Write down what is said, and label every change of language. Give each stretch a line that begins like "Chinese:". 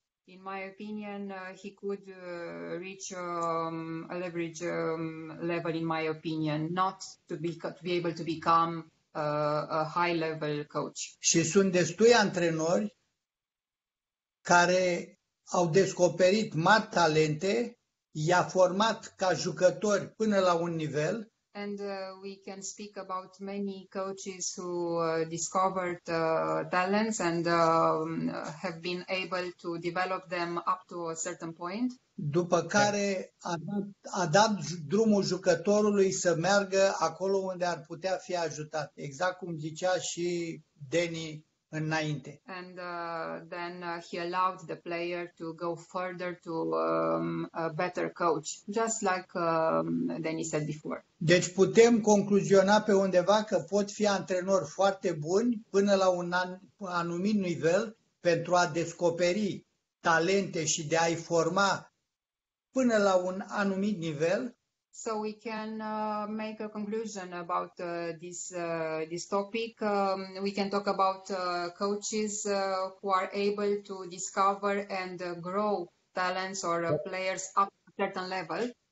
English: In my opinion, he could reach a leverage level, in my opinion, not to be, to be able to become a high level coach.
Romanian: Și sunt destui antrenori care au descoperit mari talente, i-a format ca jucători până la un nivel.
English: And we can speak about many coaches who discovered talents and have been able to develop them up to a certain point.
Romanian: După care a dat drumul jucătorului să meargă acolo unde ar putea fi ajutat, exact cum zicea și Danny înainte.
English: And then he allowed the player to go further to a better coach, just like Danny said before.
Romanian: Deci putem concluziona pe undeva că pot fi antrenori foarte buni până la un anumit nivel pentru a descoperi talente și de a-i forma până la un anumit nivel.
English: So we can make a conclusion about this topic. We can talk about coaches who are able to discover and grow talents or players up to a certain level.